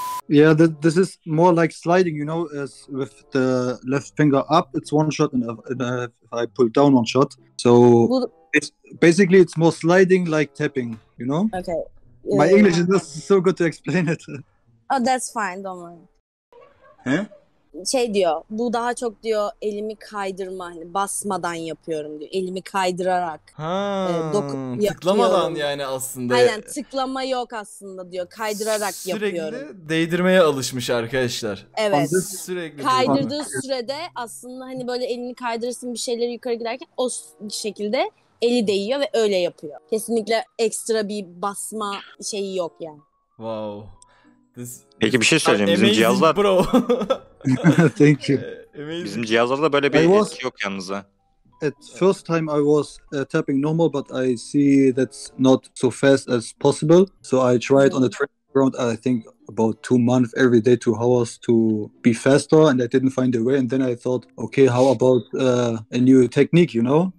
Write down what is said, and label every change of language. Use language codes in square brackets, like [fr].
[en] Yeah, this is more like sliding, you know, as with the left finger up, it's one shot, and if I pull down one shot. So It's basically it's more sliding like tapping, you know? Okay. My English is not so good to explain it. Oh, that's fine, don't worry. He? [tr] Şey diyor, bu daha çok diyor elimi kaydırma, hani basmadan yapıyorum diyor. Elimi kaydırarak. Tıklamadan yani aslında. Aynen, tıklama yok aslında diyor. Kaydırarak sürekli yapıyorum. Sürekli değdirmeye alışmış arkadaşlar. Evet. Sürekli kaydırdığı durmadan. Sürede aslında hani böyle elini kaydırırsın bir şeyleri yukarı giderken o şekilde eli değiyor ve öyle yapıyor. Kesinlikle ekstra bir basma şeyi yok yani. [en] Wow. [tr] Peki bir şey söyleyeyim. Bizim cihazlar... [en] Bro. Thank you. [tr] Bizim cihazlarda böyle bir etki yok yalnız ha. [en] At first time I was tapping normal, but I see that's not so fast as possible. So I tried on the training ground, I think about 2 months, every day, 2 hours to be faster, and I didn't find a way. And then I thought, okay, how about a new technique, you know?